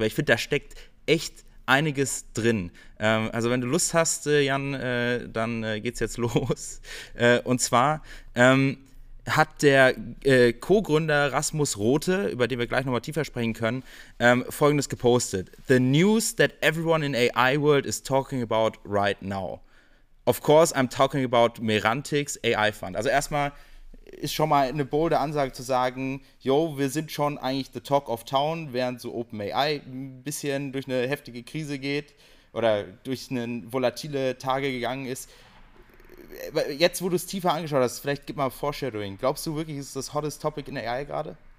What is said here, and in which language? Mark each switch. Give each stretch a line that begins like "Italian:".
German: Weil ich finde, da steckt echt einiges drin. Also wenn du Lust hast, Jan, dann geht's jetzt los. Und zwar hat der Co-Gründer Rasmus Rothe, über den wir gleich nochmal tiefer sprechen können, Folgendes gepostet:
English: "The news that everyone in AI world is talking about right now. Of course, I'm talking about Merantix AI Fund."
German: Also erstmal ist schon mal eine bolde Ansage zu sagen, yo, wir sind schon eigentlich
English: the talk of town,
German: während so OpenAI ein bisschen durch eine heftige Krise geht oder durch eine volatile Tage gegangen ist. Jetzt, wo du es tiefer angeschaut hast, vielleicht gib mal Foreshadowing. Glaubst du wirklich, ist das hottest Topic in der AI gerade?